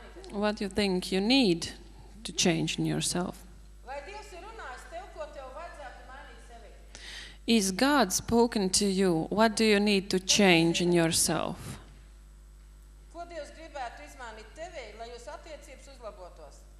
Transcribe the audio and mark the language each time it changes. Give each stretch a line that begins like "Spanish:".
English: What you think you need to change in yourself.
Latvian: Vai Dievs ir runājis tev, ko tev vajadzētu mainīt sevi?
English: Is God spoken to you? What do you need to change in yourself?
Latvian: Ko Dievs gribētu izmainīt tevi, lai jūs attiecības uzlabotos?